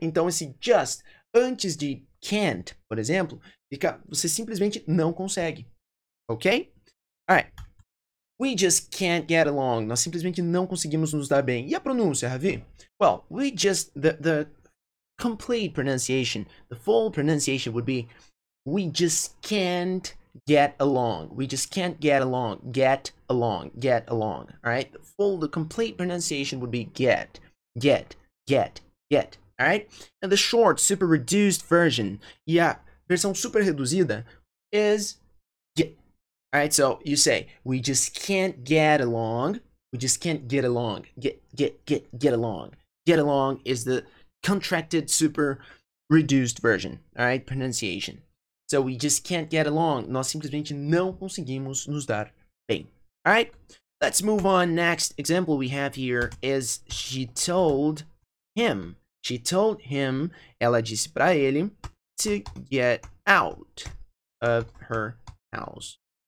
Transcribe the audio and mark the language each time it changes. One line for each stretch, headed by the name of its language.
Portuguese: Então, esse just, antes de can't, por exemplo, fica, você simplesmente não consegue, ok?
English: Alright, we just can't get along,
Portuguese: nós simplesmente não conseguimos nos dar bem. E a pronúncia, Ravi?
English: Well, we just, the complete pronunciation, the full pronunciation would be, we just can't get along, we just can't get along, get along, get along, alright? The full, the complete pronunciation would be get, alright? And the short, super reduced version,
Portuguese: e a versão super reduzida,
English: is get. Alright, so you say, we just can't get along, we just can't get along, get along. Get along is the contracted, super reduced version, alright? Pronunciation. So we just can't get along,
Portuguese: nós simplesmente não conseguimos nos dar bem,
English: alright? Let's move on, next example we have here is she told him. She told him,
Portuguese: ela disse pra ele,
English: to get out of her house.